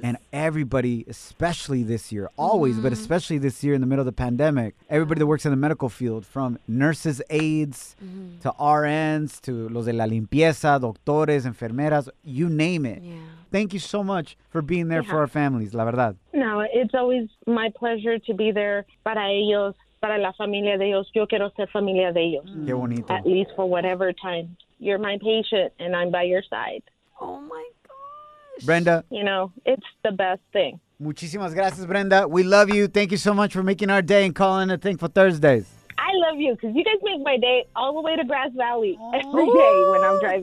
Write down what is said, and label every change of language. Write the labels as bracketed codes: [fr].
[en] And everybody, especially this year, always, but especially this year in the middle of the pandemic, everybody that works in the medical field, from nurses, aides, to RNs, to [es] los de la limpieza, doctores, enfermeras, [en] you name it. Yeah. Thank you so much for being there for our families, [es] la verdad. [en] No, it's always my pleasure to be there [es] para ellos. Para la familia de ellos, yo quiero ser familia de ellos. Qué bonito. [en] At least for whatever time. You're my patient and I'm by your side. Oh my gosh. Brenda. You know, it's the best thing. [es] Muchísimas gracias, [en] Brenda. We love you. Thank you so much for making our day and calling a Thankful Thursdays. I love you because you guys make my day all the way to Grass Valley every day when I'm driving.